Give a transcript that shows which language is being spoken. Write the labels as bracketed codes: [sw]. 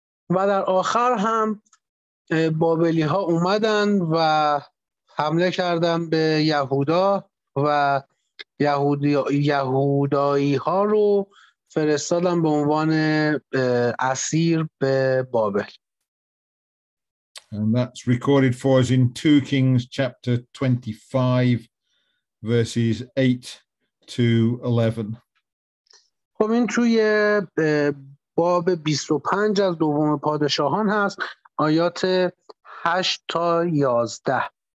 [fa] و در آخر هم بابلی ها اومدن و حمله کردن به یهودا و یهودایی ها رو فرستادن به عنوان اسیر به بابل. [en] And that's recorded for us in 2 Kings chapter 25 verses 8 to 11. [fa] خب این توی باب 25 از دوم پادشاهان هست، آیات 8 تا 11.